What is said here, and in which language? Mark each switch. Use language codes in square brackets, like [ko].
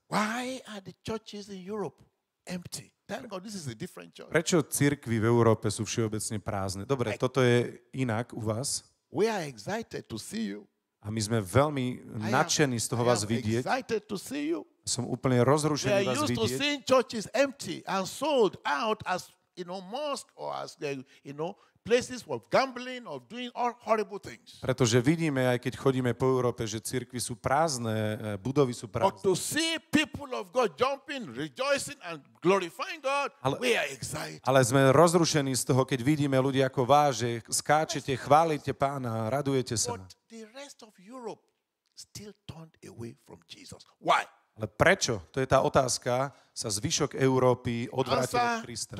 [en] Why are the churches in Europe empty? Thank God this is a different church. [sk] Prečo cirkvi v Európe sú všeobecne prázdne? Dobre, toto je inak u vás. [en] We are excited to see you. [sk] A my sme veľmi nadšení z toho vás vidieť. [en] Excited to see you. [sk] Som úplne rozrušený vás vidieť. [en] We are used to seeing churches empty and sold out as, you know, mosques or as, you know, places of gambling or doing all horrible things. [sk] Pretože vidíme, aj keď chodíme po Európe, že cirkvi sú prázdne, budovy sú prázdne. [en] But to see people of God jumping, rejoicing and glorifying God, [sk] ale, [en] we are excited. [sk] Ale sme rozrušení z toho, keď vidíme ľudí ako vás, že skáčete, chválite Pána, radujete sa. [en] But the rest of Europe still turned away from Jesus. Why? [sk] Ale prečo? To je tá otázka, sa zvyšok Európy odvrátil od Krista.